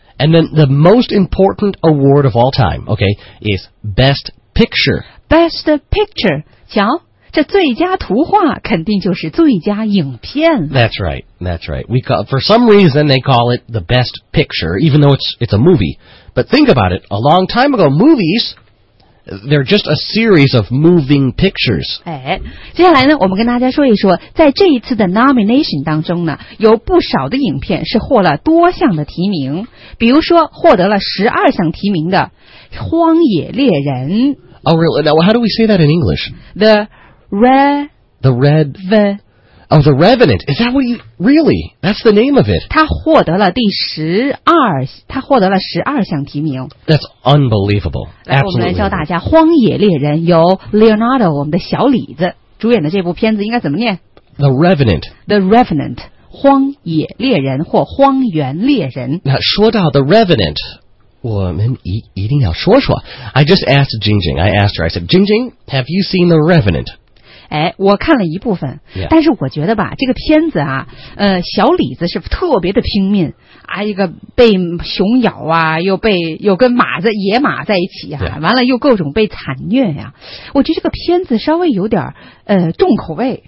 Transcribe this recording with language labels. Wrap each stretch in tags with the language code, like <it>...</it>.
<en>And then the most important award of all time, okay, is best picture. Best picture.</en> <zh>瞧，这最佳图画肯定就是最佳影片了。</zh> <en>That's right, that's right. We call, for some reason, they call it the best picture, even though it's a movie. But think about it, a long time ago, movies, they're just a series of moving pictures.</en> <zh>哎，接下来呢，我们跟大家说一说，在这一次的 nomination 当中呢，有不少的影片是获了多项的提名，比如说获得了12项提名的《荒野猎人》。</zh> <en>Oh, really? Now, how do we say that in English? The Red... The Red... The... Oh, The Revenant. Is that what you... Really? That's the name of it.</en> <zh>他获得了第十二，他获得了十二项提名。</zh> <en>That's unbelievable. Absolutely.</en> <zh>我们来教大家《荒野猎人》由 Leonardo, 我们的小李子主演的这部片子应该怎么念？</zh> <en>The Revenant.</en> <zh>The Revenant. 荒野猎人或荒原猎人。那说到</zh> <en>The Revenant,</en> <zh>我们一定要说说。</zh> <en>I just asked Jingjing. I asked her. I said, Jingjing, have you seen The Revenant?</en> <zh>哎，我看了一部分，但是我觉得吧，这个片子啊，小李子是特别的拼命啊，一个被熊咬啊，又跟马子野马在一起啊，完了又各种被惨虐呀、啊，我觉得这个片子稍微有点重口味。</zh>